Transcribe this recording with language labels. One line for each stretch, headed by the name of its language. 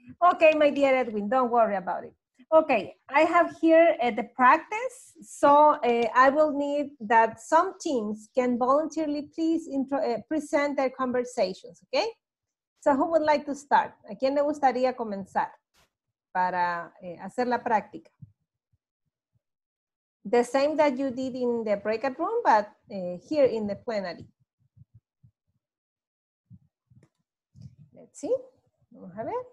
English: Okay, my dear Edwin, don't worry about it. Okay, I have here the practice. So I will need that some teams can voluntarily please present their conversations, okay? So who would like to start?
Spanish: ¿A quién le gustaría comenzar para hacer la práctica?
English: The same that you did in the breakout room, but here in the plenary. Let's see.
Spanish: Vamos a ver.